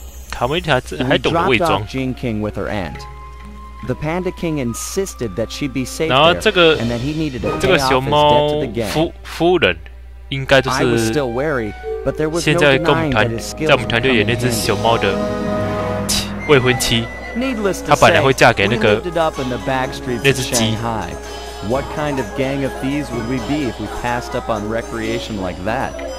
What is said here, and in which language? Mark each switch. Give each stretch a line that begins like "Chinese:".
Chinese: 卡梅塔还懂得伪装。
English: We dropped off Jean King with her aunt. The Panda King insisted that she be safe there, and that he needed to pay off his debt to the gang.
Chinese: 夫人应该就是。
English: I was still wary, but there was no denying that his skills were coming in handy.
Chinese: 那只小猫的未婚妻，她本来会嫁给那个那只鸡。
English: What kind of gang of thieves would we be if we passed up on recreation like that?